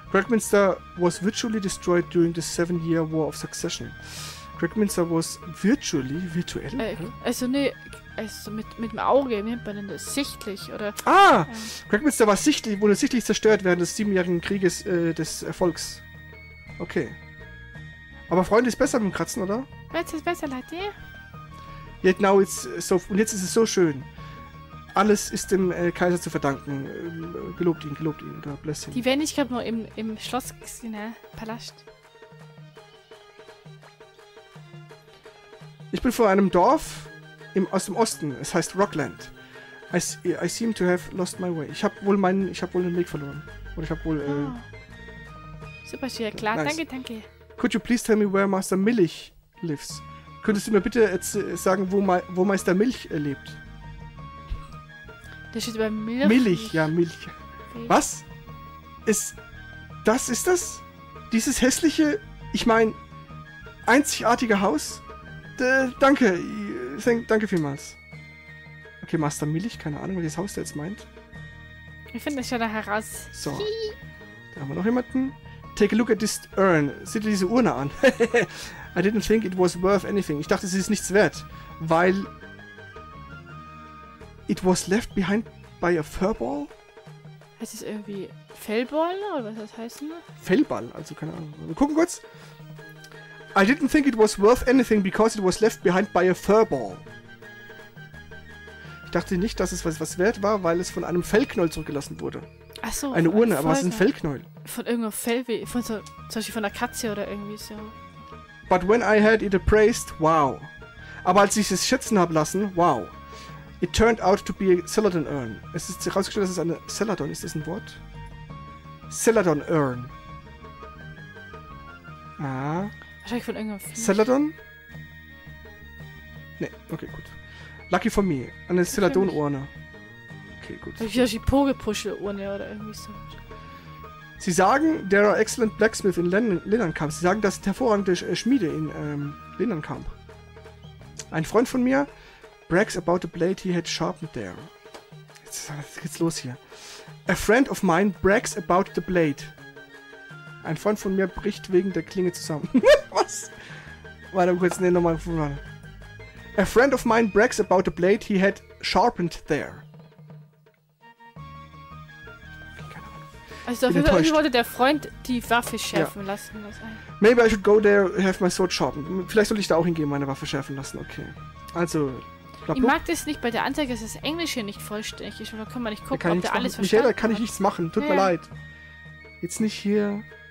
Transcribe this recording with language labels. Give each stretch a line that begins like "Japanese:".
English: Gregminster was virtually destroyed during the 7-year war of succession. Gregminster was virtuell?
German: Also mit dem Auge, nimmt man denn das sichtlich, oder? Ah! Gregminster wurde sichtlich zerstört während des 7-jährigen Krieges des Erfolgs. Okay. Aber Freunde ist besser mit dem Kratzen, oder? Jetzt ist besser, Leute.
English: Yet now it's so,
German: und jetzt ist es so schön. Alles ist dem Kaiser zu verdanken. Gelobt ihn,
English: God bless him.
German: Die Wendigkeit nur im Schloss gesehen, ne? Palast. Ich bin vor einem Dorf aus dem Osten. Es heißt Rockland.
English: I seem to have lost my way.
German: Ich habe wohl den Weg verloren. Oder ich habe wohl, Super schön, klar. Nice. Danke.
English: Could you please tell me where Master Milch lives?
German: Könntest du mir bitte sagen, wo Meister Milch lebt? Das steht bei Milch. Milch, ja, Milch. Okay. Was? Ist das? dieses hässliche, ich meine, einzigartige Haus. Danke, danke vielmals. Okay, Master Milch, keine Ahnung, welches Haus der jetzt meint. Ich finde es schon da heraus. So, da haben wir noch jemanden.
English: Take a look at this urn.
German: Sieh dir diese Urne an.
English: I didn't think it was worth anything.
German: Ich dachte, es ist nichts wert, weil...
English: It was left behind by a furball?
German: Heißt es irgendwie Fellball oder was das heißt? Ne? Fellball, also keine Ahnung. Wir gucken kurz.
English: I didn't think it was worth anything because it was left behind by a furball.
German: Ich dachte nicht, dass es was wert war, weil es von einem Fellknäuel zurückgelassen wurde. Ach so. Eine Urne, aber es ist ein Fellknäuel. Von irgendeinem Fell, wie, von so, zum Beispiel von einer Katze oder irgendwie so.
English: But when I had it appraised, wow.
German: Aber als ich es schätzen habe lassen, wow.
English: It turned out to be a Celadon urn.
German: Es ist herausgestellt, dass es eine Celadon ist. Das ein Wort?
English: Celadon urn. Ah.
German: Wahrscheinlich von irgendeinem Fisch. Celadon? Ne, okay, gut.
English: Lucky for me.
German: Eine Celadon urne. Okay, gut. Wie die Pogelpuschel urne oder irgendwie so. Sie sagen,
English: there are excellent blacksmith in Lindenkamp.
German: Sie sagen, das ist hervorragende Schmiede in Lindenkamp. Ein Freund von mir
English: brags about a blade he had sharpened there.
German: Jetzt geht's los hier.
English: A friend of mine brags about the blade.
German: Ein Freund von mir bricht wegen der Klinge zusammen. Was? Warte kurz, nee, nochmal.
English: A friend of mine brags about a blade he had sharpened there.
German: Also, irgendwie wollte der Freund die Waffe schärfen lassen.
English: Maybe I should go there and have my sword sharpened.
German: Vielleicht soll ich da auch hingehen, meine Waffe schärfen lassen. Okay. Also. Ich mag das nicht bei der Anzeige, dass das Englische nicht vollständig ist. Und da kann man nicht gucken, ob der alles verstanden hat. Michael, da kann ich nichts machen. Tut mir leid. Jetzt nicht hier.